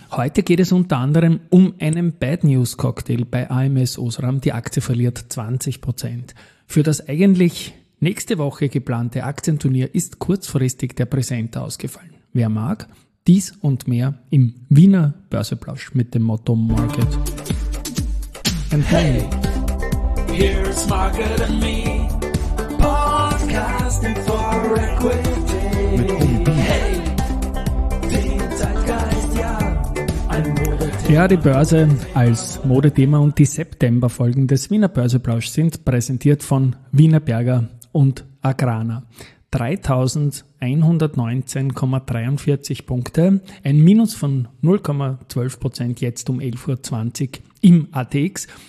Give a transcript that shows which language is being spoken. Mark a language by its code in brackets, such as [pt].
[de] Heute geht es unter anderem um einen Bad News Cocktail bei AMS Osram. Die Aktie verliert 20%. Für das eigentlich nächste Woche geplante Aktienturnier ist kurzfristig der Präsenter ausgefallen. Wer mag? Dies und mehr im Wiener Börseplausch mit dem Motto Market. [en] And hey, here's Market and Me, podcasting for equity. [de] Hey, den Zeitgeist, ja, ein Modethema. Ja, die Börse als Modethema und die Septemberfolgen des Wiener Börseplausch sind präsentiert von Wienerberger und Agrana. 3.119,43 Punkte, ein Minus von 0,12% jetzt um 11.20 Uhr im ATX.